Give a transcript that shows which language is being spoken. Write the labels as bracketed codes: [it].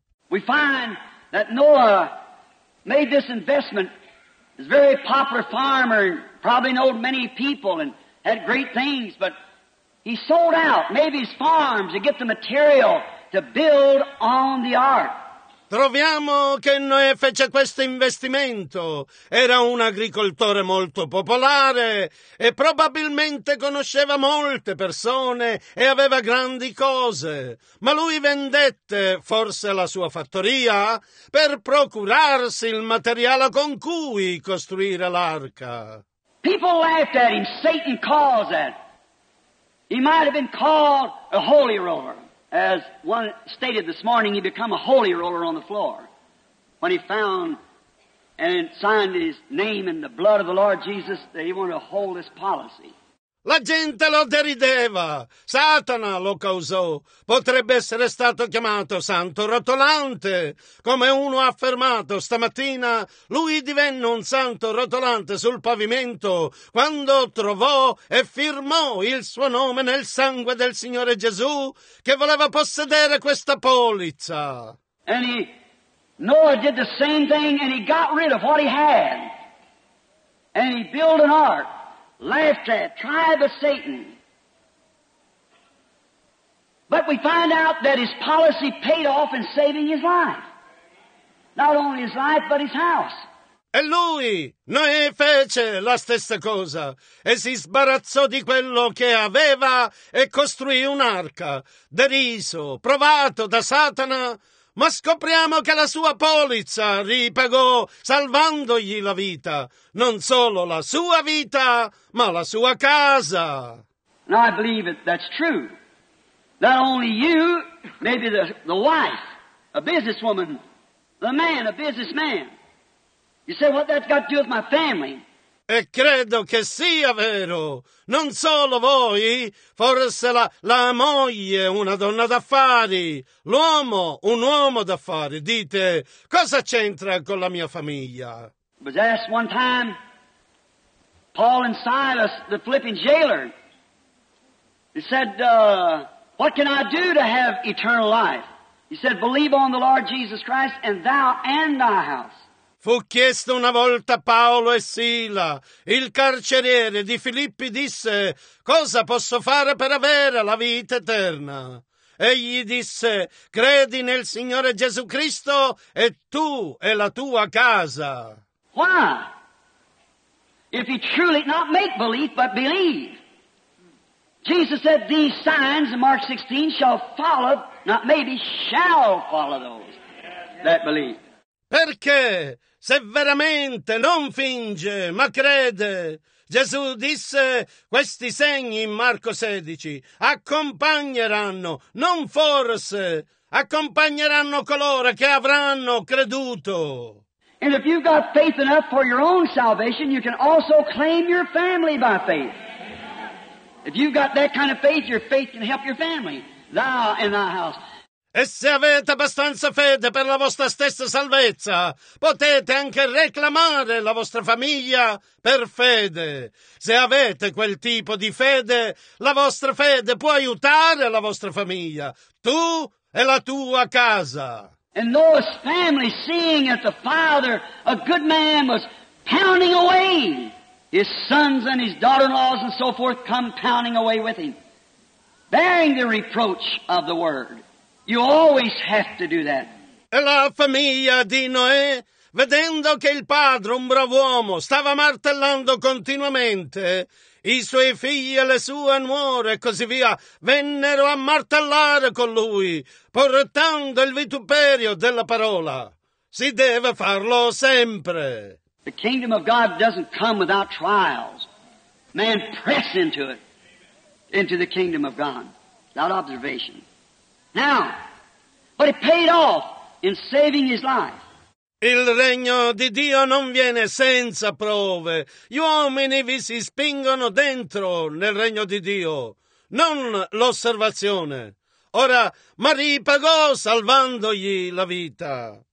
[en] We find that Noah made this investment. He's a very popular farmer, probably knew many people and had great things, but he sold out maybe his farms to get the material to build on the ark. [it] Troviamo che Noè fece questo investimento. Era un agricoltore molto popolare e probabilmente conosceva molte persone e aveva grandi cose. Ma lui vendette forse la sua fattoria per procurarsi il materiale con cui costruire l'arca. [en] People laughed at him. Satan calls that. He might have been called a holy roller. As one stated this morning, he became a holy roller on the floor when he found and signed his name in the blood of the Lord Jesus that he wanted to hold this policy. [it] La gente lo derideva. Satana lo causò. Potrebbe essere stato chiamato santo rotolante. Come uno ha affermato stamattina, lui divenne un santo rotolante sul pavimento quando trovò e firmò il suo nome nel sangue del Signore Gesù che voleva possedere questa polizza. [en] And Noah did the same thing and he got rid of what he had. And he built an ark. Laughed at, tribe of Satan. But we find out that his policy paid off in saving his life. not only his life but his house. [it] E lui, Noè, fece la stessa cosa e si sbarazzò di quello che aveva e costruì un'arca, deriso, provato da Satana, ma scopriamo che la sua polizza ripagò salvandogli la vita, non solo la sua vita, ma la sua casa. [en] Now I believe it, that's true. Not only you, maybe the wife, a businesswoman, the man, a businessman. You say, what that's got to do with my family? [it] E credo che sia vero. Non solo voi, forse la moglie, una donna d'affari, l'uomo, un uomo d'affari. Dite, cosa c'entra con la mia famiglia? [en] Was asked one time, Paul and Silas, the Philippian jailer, he said, what can I do to have eternal life? He said, believe on the Lord Jesus Christ and thou and thy house. [it] Fu chiesto una volta a Paolo e Sila, il carceriere di Filippi disse, cosa posso fare per avere la vita eterna? Egli disse, credi nel Signore Gesù Cristo e tu e la tua casa. [en] Why? If you truly not make belief, but believe. Jesus said, these signs in Mark 16 shall follow, not maybe, shall follow those that believe. [it] Perché? Se veramente non finge, ma crede. Gesù disse, questi segni in Marco 16 accompagneranno, non forse, accompagneranno coloro che avranno creduto. [en] And if you've got faith enough for your own salvation, you can also claim your family by faith. If you've got that kind of faith, your faith can help your family, thou and thy house. [it] E se avete abbastanza fede per la vostra stessa salvezza, potete anche reclamare la vostra famiglia per fede. Se avete quel tipo di fede, la vostra fede può aiutare la vostra famiglia, tu e la tua casa. [en] And Noah's family, seeing that the father, a good man, was pounding away, his sons and his daughter-in-laws and so forth come pounding away with him, bearing the reproach of the word. You always have to do that. [it] E la famiglia di Noè, vedendo che il padre, un bravo uomo, stava martellando continuamente, i suoi figli e le sue nuore e così via, vennero a martellare con lui, portando il vituperio della parola. Si deve farlo sempre. [en] The kingdom of God doesn't come without trials. Man press into it, into the kingdom of God, without observation. Now, but it paid off in saving his life. [it] Il regno di Dio non viene senza prove. Gli uomini vi si spingono dentro nel regno di Dio, non l'osservazione. Ora, ma ripagò salvandogli la vita.